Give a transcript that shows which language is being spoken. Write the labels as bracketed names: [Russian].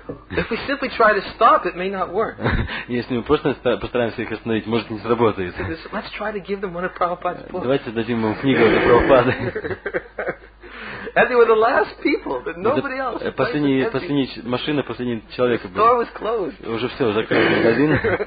[English] If we simply try to stop, it may not work. [Russian] Если мы просто постараемся их остановить, может не сработает. [English] Let's try to give them one of Prabhupada's books. [Russian] Давайте дадим им книгу от Прабхупады. [English] And they were the last people, but nobody else. [Russian] Последняя машина, последний человек. [English] The store was closed. [Russian] Уже все, закрыли магазин.